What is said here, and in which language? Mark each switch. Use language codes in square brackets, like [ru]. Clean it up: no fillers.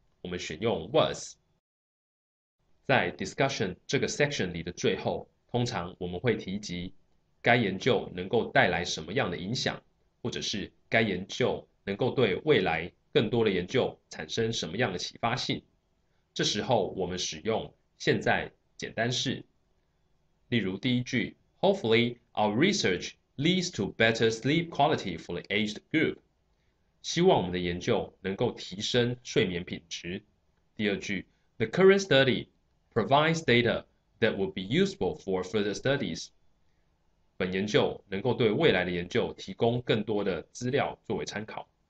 [zh] 我们选用 was。在 discussion 这个 section 里的最后，通常我们会提及该研究能够带来什么样的影响，或者是该研究能够对未来更多的研究产生什么样的启发性。这时候我们使用现在简单式。例如第一句， [en] Hopefully our research leads to better sleep quality for the aged group。 [zh] 希望我们的研究能够提升睡眠品质。第二句， [en] The current study provides data that will be useful for further studies。 [zh] 本研究能够对未来的研究提供更多的资料作为参考。